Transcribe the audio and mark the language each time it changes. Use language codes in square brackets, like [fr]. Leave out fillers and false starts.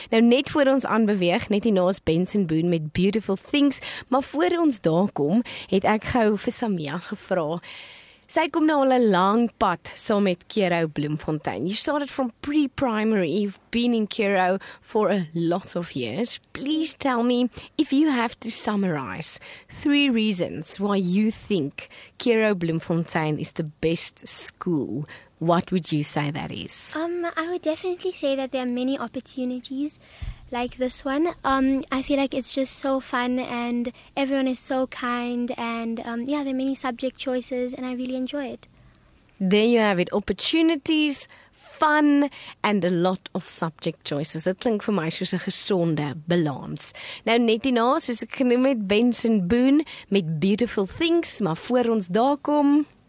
[af] Nou net voor ons aanbeweeg, net hierna is Benson Boone met Beautiful Things, maar voor ons daar kom, het ek gou vir Samia gevra. Sy kom nou al 'n lang pad saam met Kero Bloemfontein. [en] You started from pre-primary, you've been in Kero for a lot of years. Please tell me if you have to summarize 3 reasons why you think Kero Bloemfontein is the best school. What would you say that is? I would definitely say that there are many opportunities like this one. I feel like it's just so fun and everyone is so kind and yeah, there are many subject choices and I really enjoy it. There you have it. Opportunities, fun and a lot of subject choices. [af] Dit klink vir my soos 'n gesonde balans. Nou net hierna, soos ek genoem het, Benson Boone met Beautiful Things, maar voor ons daar kom...